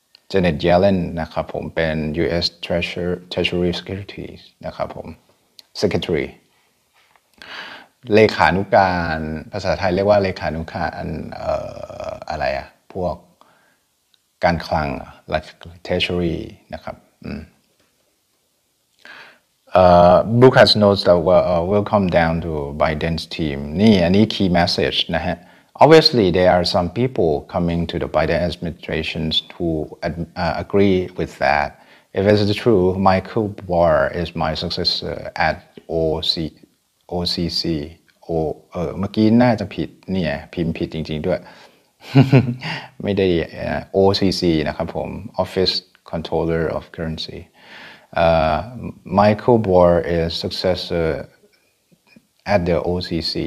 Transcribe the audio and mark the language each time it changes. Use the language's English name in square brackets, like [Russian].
[Thai] Janet Yellen นะครับผมเป็น U.S. Treasury Securities นะครับผม Secretary เลขานุการภาษาไทยเรียกว่าเลขานุการอะไรอ่ะพวกการคลัง Treasury นะครับ [English] Lucas notes that we'll come down to Biden's team. This is a key message. Obviously, there are some people coming to the Biden administration who agree with that. If it's true, Michael Barr is my successor at OCC. [Thai] เมื่อกี้น่าจะผิดเนี่ยพิมพ์ผิดจริงๆด้วย ไม่ได้ OCC นะครับผม Office Controller of Currency. [English] Michael Barr is successor at the OCC.